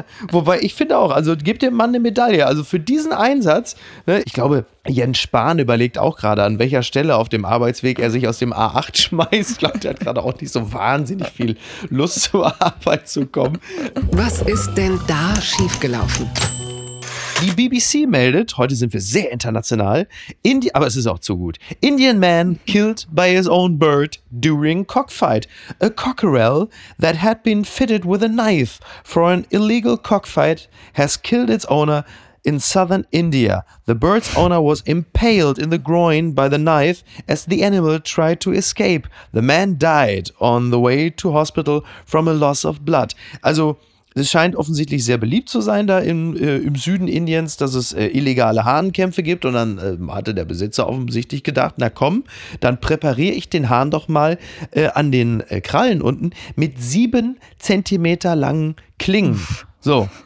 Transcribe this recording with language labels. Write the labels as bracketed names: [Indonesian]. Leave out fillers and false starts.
[German] Wobei ich finde auch, also gib dem Mann eine Medaille. Also für diesen Einsatz, ne, ich glaube, Jens Spahn überlegt auch gerade, an welcher Stelle auf dem Arbeitsweg er sich aus dem A8 schmeißt. Ich glaube, der hat gerade auch nicht so wahnsinnig viel Lust, zur Arbeit zu kommen. Was ist denn da schiefgelaufen? Die BBC meldet, heute sind wir sehr international, aber es ist auch zu gut. [English] Indian man killed by his own bird during cockfight. A cockerel that had been fitted with a knife for an illegal cockfight has killed its owner in southern India. The bird's owner was impaled in the groin by the knife as the animal tried to escape. The man died on the way to hospital from a loss of blood. [German] Also, es scheint offensichtlich sehr beliebt zu sein da im Süden Indiens, dass es illegale Hahnenkämpfe gibt. Und dann hatte der Besitzer offensichtlich gedacht, na komm, dann präpariere ich den Hahn doch mal an den Krallen unten mit 7 Zentimeter langen Klingen. So.